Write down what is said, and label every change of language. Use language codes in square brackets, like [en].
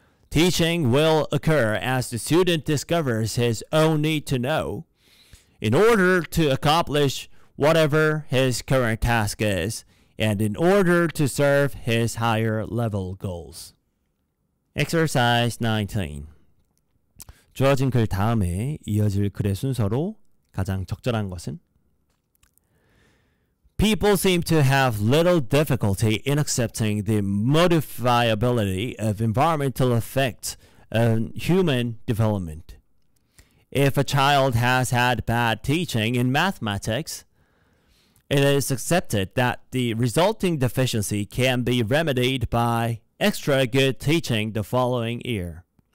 [en] Teaching will occur as the student discovers his own need to know in order to accomplish whatever his current task is and in order to serve his higher level goals. Exercise 19. [ko] 주어진 글 다음에 이어질 글의 순서로 가장 적절한 것은? [en] People seem to have little difficulty in accepting the modifiability of environmental effects on human development. If a child has had bad teaching in mathematics, it is accepted that the resulting deficiency can be remedied by extra good teaching the following year.